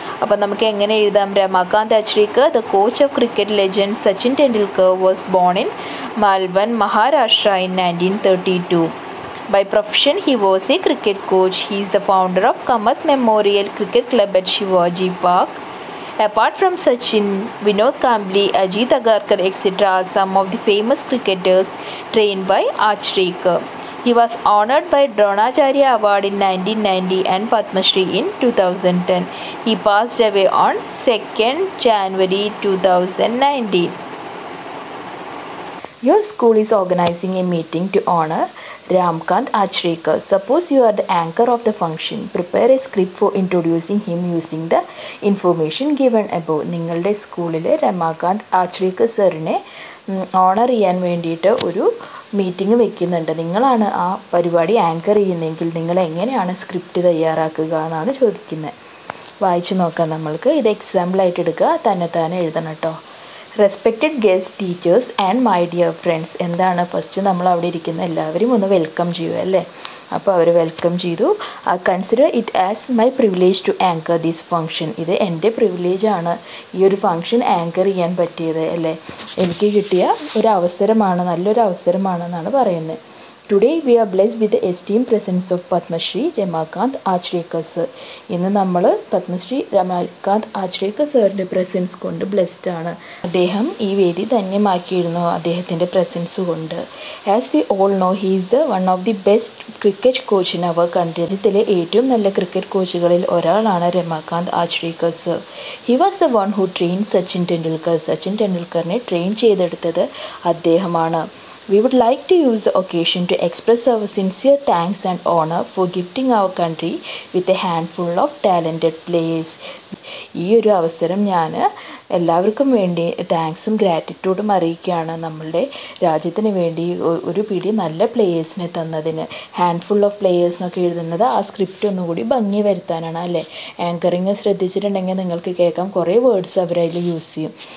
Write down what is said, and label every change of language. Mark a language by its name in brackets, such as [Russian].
[Malayalam] അപ്പോൾ നമുക്ക് എങ്ങനെ എഴുതാം, [English] Ramakant Achrekar the coach of cricket legend Sachin Tendulkar was born in Malvan Maharashtra in 1932. By profession he was a cricket coach. He is the founder of Kamath memorial cricket club at Shivaji park. Apart from Sachin, Vinod Kambli, Ajit Agarkar, etc. are some of the famous cricketers trained by Achrekar. He was honored by Dronacharya Award in 1990 and Padma Shri in 2010. He passed away on 2nd January 2019. Your school is organizing a meeting to honor Ramkant Achrekar. Suppose you are the anchor of the function. Prepare a script for introducing him using the information given above. [Malayalam] നിങ്ങളുടെ സ്കൂളിലെ രമാകാന്ത് ആചരേക്കർ സാറിനെ owner ചെയ്യാൻ വേണ്ടിയിട്ട് ഒരു meeting വെക്കുന്നുണ്ട്. നിങ്ങളാണ് ആ പരിപാടി ആങ്കർ ചെയ്യുന്നതെങ്കിൽ നിങ്ങൾ എങ്ങനെയാണ് സ്ക്രിപ്റ്റ് തയ്യാറാക്കുക എന്നാണ് ചോദിക്കുന്നത്. വായിച്ചു നോക്കാം നമ്മൾക്ക്. ഇത് എക്സാമ്പിളായിട്ട് എടുക്കുക, തന്നെത്താനെ എഴുതണം കേട്ടോ. [English] Respected guests, teachers and my dear friends. [Malayalam] എന്താണ് ഫസ്റ്റ്, നമ്മൾ അവിടെ ഇരിക്കുന്ന എല്ലാവരെയും ഒന്ന് വെൽക്കം ചെയ്യുക അല്ലേ. അപ്പോൾ അവർ വെൽക്കം ചെയ്തു. [English] Consider it as my privilege to anchor this function. [Malayalam] ഇത് എൻ്റെ പ്രിവിലേജാണ് ഈ ഒരു ഫങ്ഷൻ ആങ്കർ ചെയ്യാൻ പറ്റിയത് അല്ലേ. എനിക്ക് കിട്ടിയ ഒരു അവസരമാണ്, നല്ലൊരു അവസരമാണെന്നാണ് പറയുന്നത്. [English] Today we are blessed with the esteemed presence of Padma Shri Ramakant Achrekar sir. [Malayalam] ഇന്ന് നമ്മൾ പത്മശ്രീ രമാകാന്ത് ആചരേക്കർ സാറിൻ്റെ പ്രസൻസ് കൊണ്ട് ബ്ലെസ്ഡ് ആണ്. അദ്ദേഹം ഈ വേദി ധന്യമാക്കിയിരുന്നു അദ്ദേഹത്തിൻ്റെ പ്രസൻസ് കൊണ്ട്. [English] As we all know, he is the one of the best cricket coach in our country. [Malayalam] ഇതിലെ ഏറ്റവും നല്ല ക്രിക്കറ്റ് കോച്ചുകളിൽ ഒരാളാണ് Ramakant ആചരേക്കർ sir. [English] He was the one who train Sachin Tendulkar. [Malayalam] Sachin ടെണ്ടുൽക്കറിനെ train ചെയ്തെടുത്തത് അദ്ദേഹമാണ്. [English] We would like to use the occasion to express our sincere thanks and honor for gifting our country with a handful of talented players. [Malayalam] ഈ ഒരു അവസരം ഞാൻ എല്ലാവർക്കും വേണ്ടി താങ്ക്സും ഗ്രാറ്റിറ്റ്യൂഡും അറിയിക്കുകയാണ്. നമ്മളുടെ രാജ്യത്തിന് വേണ്ടി ഒരു പിടി നല്ല പ്ലേയേഴ്സിനെ തന്നതിന്, [English] handful of players [Malayalam] എന്നൊക്കെ എഴുതുന്നത് ആ സ്ക്രിപ്റ്റ് ഒന്നുകൂടി ഭംഗി വരുത്താനാണ് അല്ലേ. ആങ്കറിങ് ശ്രദ്ധിച്ചിട്ടുണ്ടെങ്കിൽ നിങ്ങൾക്ക് കേൾക്കാം കുറേ വേർഡ്സ് അവരതിൽ യൂസ് ചെയ്യും.